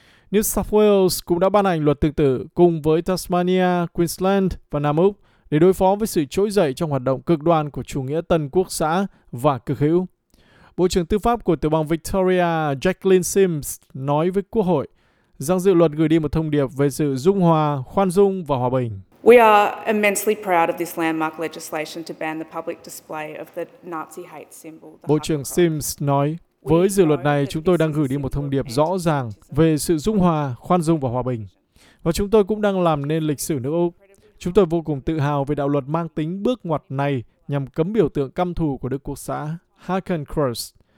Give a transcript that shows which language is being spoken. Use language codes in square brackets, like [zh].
[vi] New South Wales cũng đã ban hành luật tương tự cùng với Tasmania, Queensland và Nam Úc để đối phó với sự trỗi dậy trong hoạt động cực đoan của chủ nghĩa tân quốc xã và cực hữu. Bộ trưởng Tư pháp của tiểu bang Victoria, Jacqueline Sims, nói với Quốc hội rằng dự luật gửi đi một thông điệp về sự dung hòa, khoan dung và hòa bình. [en] We are immensely proud of this landmark legislation to ban the public display of the Nazi hate symbol. [vi] Bộ trưởng Sims nói, với dự luật này, chúng tôi đang gửi đi một thông điệp rõ ràng về sự dung hòa, khoan dung và hòa bình. Và chúng tôi cũng đang làm nên lịch sử nước Úc. Chúng tôi vô cùng tự hào về đạo luật mang tính bước ngoặt này nhằm cấm biểu tượng căm thù của Đức Quốc xã Hakenkreuz.